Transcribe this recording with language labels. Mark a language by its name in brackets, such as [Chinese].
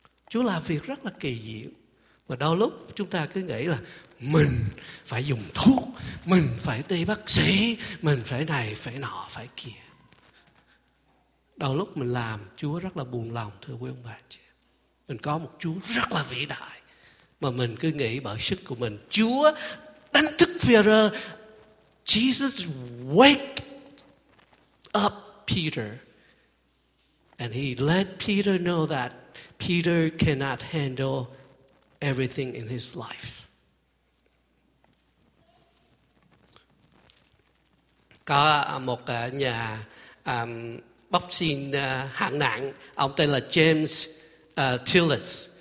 [Vietnamese] Chúa làm việc rất là kỳ diệu. Và đôi lúc chúng ta cứ nghĩ là mình phải dùng thuốc, mình phải đi bác sĩ, mình phải này, phải nọ, phải kia. Đôi lúc mình làm, Chúa rất là buồn lòng, thưa quý ông bà chị. Mình có một Chúa rất là vĩ đại, mà mình cứ nghĩ bởi sức của mình, Chúa đánh thức Peter. [English] Jesus wake up Peter, and he let Peter know that Peter cannot handle everything in his life. [Vietnamese] Có một nhà boxing hạng nặng, ông tên là James Tillis.